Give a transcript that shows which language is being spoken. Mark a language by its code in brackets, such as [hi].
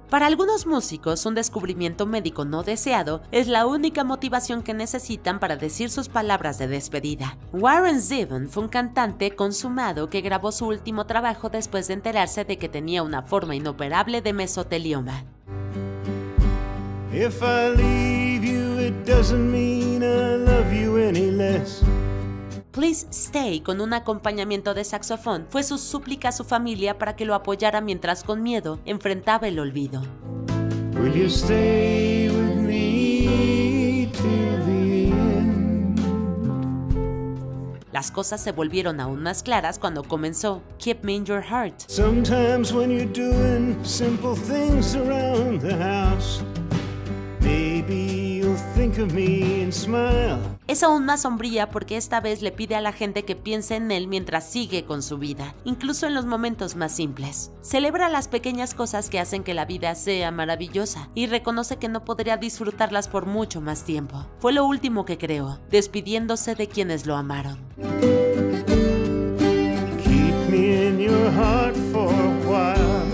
[es] Para algunos músicos, un descubrimiento médico no deseado es la única motivación que necesitan para decir sus palabras de despedida. Warren Zevon fue un cantante consumado que grabó su último trabajo después de enterarse de que tenía una forma inoperable de mesotelioma. [en] If I leave you, it doesn't mean I love you any less. [es] Please Stay, con un acompañamiento de saxofón, fue su súplica a su familia para que lo apoyara mientras con miedo enfrentaba el olvido. [en] Will you stay with me till the end? [es] Las cosas se volvieron aún más claras cuando comenzó Keep Me In Your Heart. [en] Sometimes when you're doing simple things around the house, maybe you'll think of me and smile. [es] Es aún más sombría porque esta vez le pide a la gente que piense en él mientras sigue con su vida, incluso en los momentos más simples. Celebra las pequeñas cosas que hacen que la vida sea maravillosa y reconoce que no podría disfrutarlas por mucho más tiempo. Fue lo último que creó, despidiéndose de quienes lo amaron. [en] Keep me in your heart for a while.